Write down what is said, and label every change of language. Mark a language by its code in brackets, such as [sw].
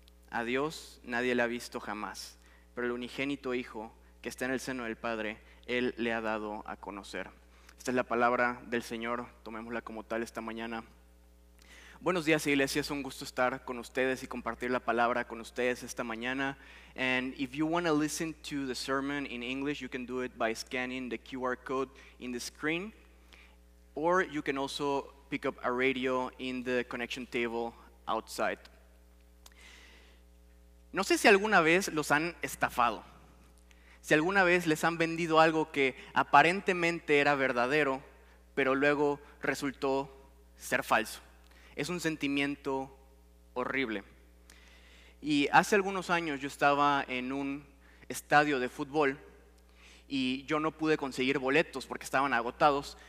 [es] A Dios nadie le ha visto jamás, pero el unigénito Hijo que está en el seno del Padre, Él le ha dado a conocer. Esta es la palabra del Señor, tomémosla como tal esta mañana. Buenos días, iglesia, es un gusto estar con ustedes y compartir la palabra con ustedes esta mañana. [en] And if you want to listen to the sermon in English, you can do it by scanning the QR code in the screen. Or you can also pick up a radio in the connection table outside. [es] No sé si alguna vez los han estafado. Si alguna vez les han vendido algo que aparentemente era verdadero, pero luego resultó ser falso. Es un sentimiento horrible. Y hace algunos años yo estaba en un estadio de fútbol y yo no pude conseguir boletos porque estaban agotados.